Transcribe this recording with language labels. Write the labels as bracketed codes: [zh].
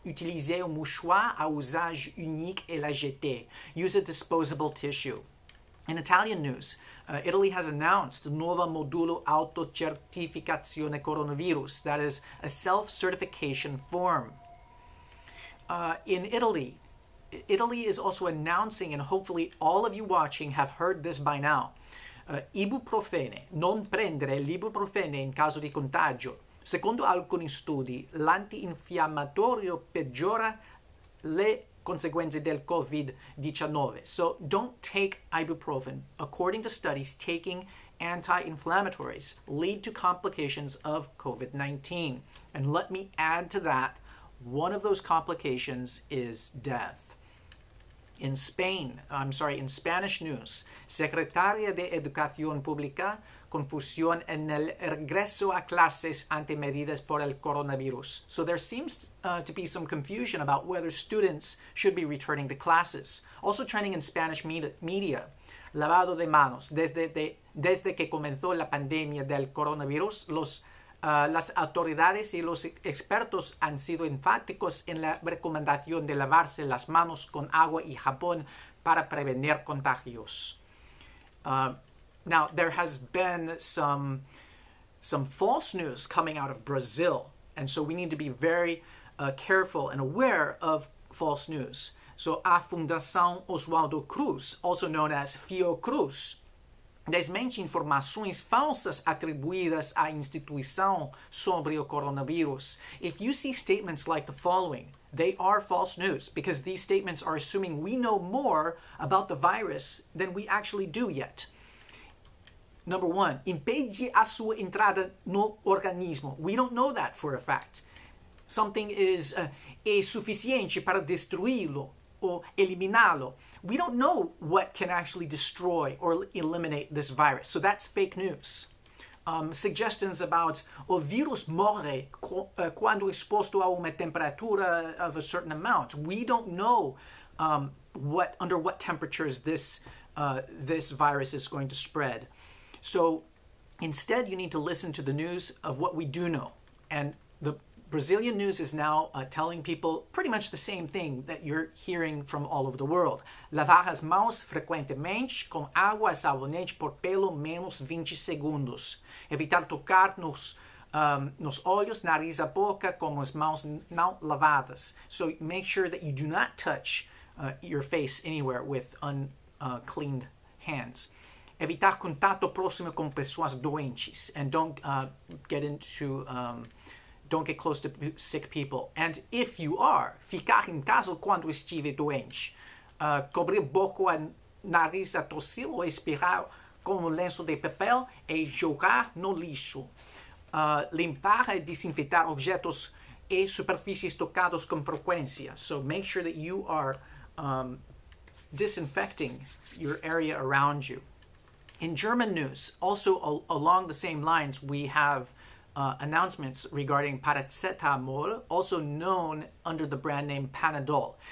[fr] Utiliser un mouchoir à usage unique et la jeter. [en] Use a disposable tissue. In Italian news, Italy has announced the [it] nuovo modulo autocertificazione coronavirus, [en] that is, a self-certification form. In Italy, Italy is also announcing, and hopefully all of you watching have heard this by now, [it] ibuprofene, non prendere l'ibuprofene in caso di contagio. Secondo alcuni studi, l'antinfiammatorio peggiora le conseguenze del COVID-19. [en] So don't take ibuprofen. According to studies, taking anti-inflammatories lead to complications of COVID-19. And let me add to that, one of those complications is death. In Spanish news, [es] Secretaria de Educación Pública, confusión en el regreso a clases ante medidas por el coronavirus. [en] So there seems to be some confusion about whether students should be returning to classes. Also trending in Spanish media, [es] lavado de manos. Desde que comenzó la pandemia del coronavirus, las autoridades y los expertos han sido enfáticos en la recomendación de lavarse las manos con agua y jabón para prevenir contagios. [en] Now, there has been some false news coming out of Brazil, and so we need to be very careful and aware of false news. [pt] So, a Fundação Oswaldo Cruz, [en] also known as [pt] Fiocruz, desmente informações falsas atribuídas à instituição sobre o coronavírus. [en] If you see statements like the following, they are false news because these statements are assuming we know more about the virus than we actually do yet. Number one, [pt] impede a sua entrada no organismo. [en] We don't know that for a fact. Something is [pt] é suficiente para destruí-lo ou eliminá-lo. [en] We don't know what can actually destroy or eliminate this virus. So that's fake news. Suggestions about [pt] o virus morre quando exposto a uma temperatura [en] of a certain amount. We don't know under what temperatures this virus is going to spread. So instead, you need to listen to the news of what we do know. And the Brazilian news is now telling people pretty much the same thing that you're hearing from all over the world. [pt] Lavar as mãos frequentemente com água e sabonete por pelo menos 20 segundos. Evitar tocar nos olhos, nariz e boca com as mãos não lavadas. [en] So make sure that you do not touch your face anywhere with uncleaned hands. [pt] Evitar contato próximo com pessoas doentes. [en] And don't get into... Don't get close to sick people. And if you are, [pt] ficar em casa quando estive doente. Cobrir boca e nariz a tossir ou expirar com um lenço de papel e jogar no lixo. Limpar e desinfetar objetos e superfícies tocados com frequência. [en] So make sure that you are disinfecting your area around you. In German news, also along the same lines, we have announcements regarding paracetamol, also known under the brand name Panadol.